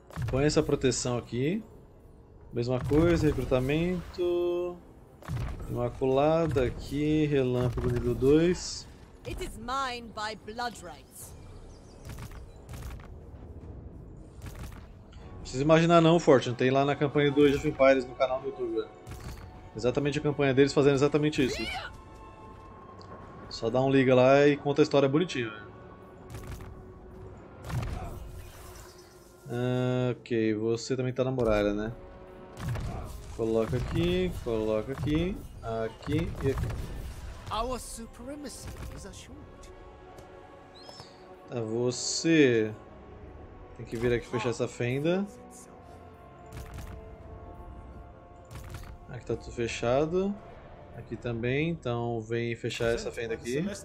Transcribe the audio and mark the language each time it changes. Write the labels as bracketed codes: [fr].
[pt] Põe essa proteção aqui. Mesma coisa, recrutamento. Imaculada aqui, relâmpago nível 2. [en] It is mine by blood rights. [pt] Precisa imaginar não, Fortune. Tem lá na campanha do Age of Empires no canal do YouTube. Né? Exatamente a campanha deles fazendo exatamente isso. Só dá um liga lá e conta a história bonitinho. Né? Ok, você também tá na muralha, né? Coloca aqui, coloca aqui. Aqui e aqui. [en] Our supremacy is assured. [pt] Tá, você tem que vir aqui fechar essa fenda. Aqui tá tudo fechado. Aqui também, então vem fechar essa fenda aqui.